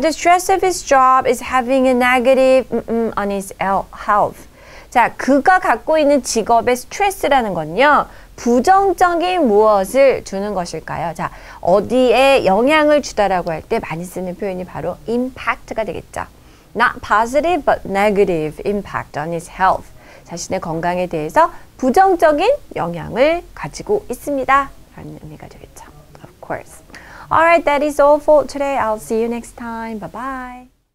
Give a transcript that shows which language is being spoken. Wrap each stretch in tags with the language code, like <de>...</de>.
<en>The stress of his job is having a negative on his health.</en> <ko>자, 그가 갖고 있는 직업의 스트레스라는 건요, 부정적인 무엇을 주는 것일까요? 자, 어디에 영향을 주다라고 할 때 많이 쓰는 표현이 바로 impact가 되겠죠.</ko> <en>Not positive, but negative impact on his health.</en> <ko>자신의 건강에 대해서 부정적인 영향을 가지고 있습니다. 라는 의미가 되겠죠.</ko> <en>Of course. Alright, that is all for today. I'll see you next time. Bye-bye.</en>